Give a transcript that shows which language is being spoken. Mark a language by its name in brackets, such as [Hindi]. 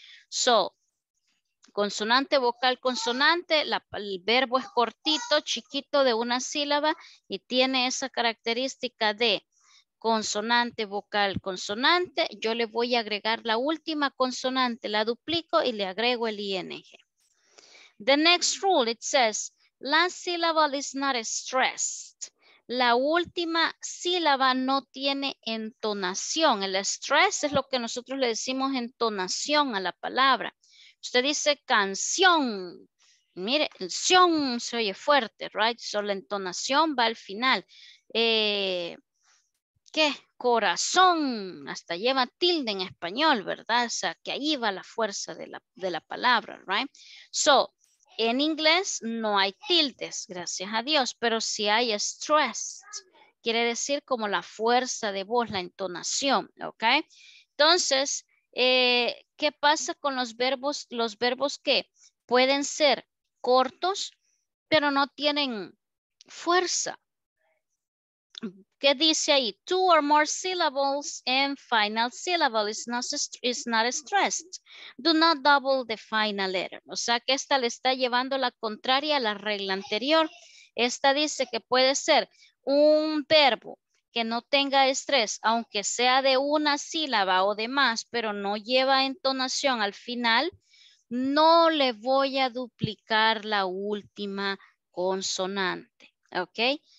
[Spanish] So, consonante, vocal, consonante, el verbo es cortito, chiquito de una sílaba y tiene esa característica de consonante, vocal, consonante. Yo le voy a agregar la última consonante, la duplico y le agrego el ing. [English] The next rule, it says, last syllable is not stressed. [Spanish] La última sílaba no tiene entonación. El stress es lo que nosotros le decimos entonación a la palabra. Usted dice canción, mire, el sión se oye fuerte, right? So la entonación va al final. ¿Qué? Corazón, hasta lleva tilde en español, ¿verdad? O sea, que ahí va la fuerza de la palabra, right? So, en inglés no hay tildes, gracias a Dios, pero si hay stressed, quiere decir como la fuerza de voz, la entonación, ¿ok? Entonces, ¿qué pasa con los verbos que pueden ser cortos, pero no tienen fuerza? ¿Qué dice ahí? [English] Two or more syllables and final syllable is not stressed. Do not double the final letter. [Spanish] O sea que esta le está llevando la contraria a la regla anterior. Esta dice que puede ser un verbo que no tenga estrés, aunque sea de una sílaba o de más, pero no lleva entonación al final, no le voy a duplicar la última consonante, ¿ok?